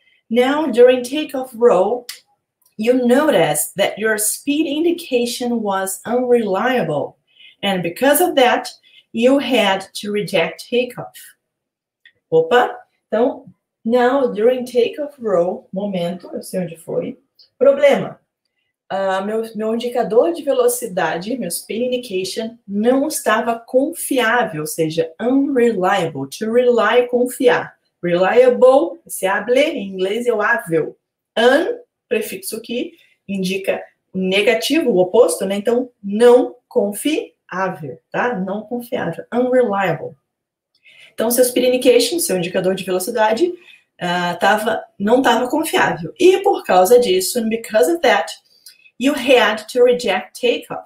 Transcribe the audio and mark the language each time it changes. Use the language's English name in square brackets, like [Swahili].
[English] Now, during takeoff roll, you noticed that your speed indication was unreliable, and because of that, you had to reject takeoff. [Portuguese] Opa! Então, [English] now, during takeoff roll, [Portuguese] momento, eu sei onde foi. Problema. Meu indicador de velocidade, meu speed indication, não estava confiável, ou seja, unreliable. To rely, confiar. Reliable, esse able, em inglês, é o ável. Un, prefixo que indica negativo, o oposto, né? Então, não confie. Ável, tá? Não confiável. Unreliable. Então, seu speed indication, seu indicador de velocidade, não estava confiável. E por causa disso, [English] and because of that, you had to reject takeoff.